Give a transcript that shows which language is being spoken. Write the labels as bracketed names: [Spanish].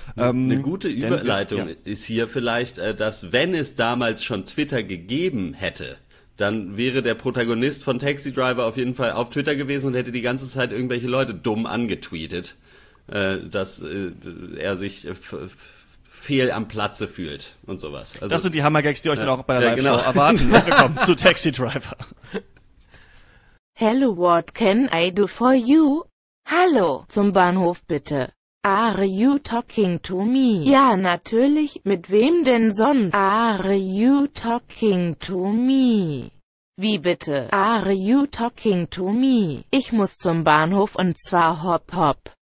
[German] Eine gute Überleitung ist hier vielleicht, dass wenn es damals schon Twitter gegeben hätte, dann wäre der Protagonist von Taxi Driver auf jeden Fall auf Twitter gewesen und hätte die ganze Zeit irgendwelche Leute dumm angetweetet, dass er sich fehl am Platze fühlt und sowas. Also, das sind die Hammergags, die euch dann auch bei der Live-Show erwarten. Willkommen zu Taxi Driver. [English] Hello, what can I do for you? [German] Hallo, zum Bahnhof bitte. [English] Are you talking to me? [German] Ja, natürlich, mit wem denn sonst? [English] Are you talking to me? [German] Wie bitte? [English] Are you talking to me? [German] Ich muss zum Bahnhof und zwar hopp hopp.